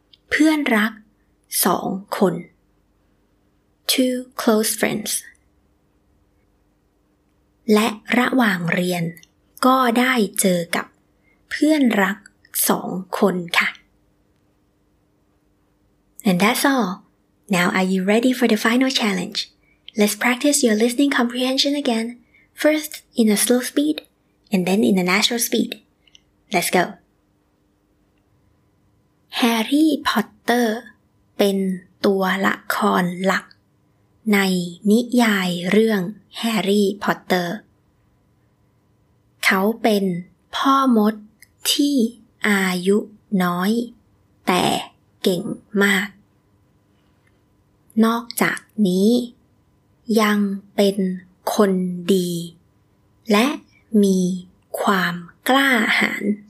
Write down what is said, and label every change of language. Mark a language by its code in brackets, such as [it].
[th] เพื่อนรัก2คน [en] Two close friends. [th] และระหว่างเรียนก็ได้เจอกับเพื่อนรักสองคนค่ะ [en] And that's all. Now are you ready for the final challenge? Let's practice your listening comprehension again, first in a slow speed, and then in a natural speed. Let's go. [th] Harry Potter เป็นตัวละครหลักในนิยายเรื่องแฮร์รี่พอตเตอร์เขาเป็นพ่อมดที่อายุน้อยแต่เก่งมากนอกจากนี้ยังเป็นคนดีและมีความกล้าหาญ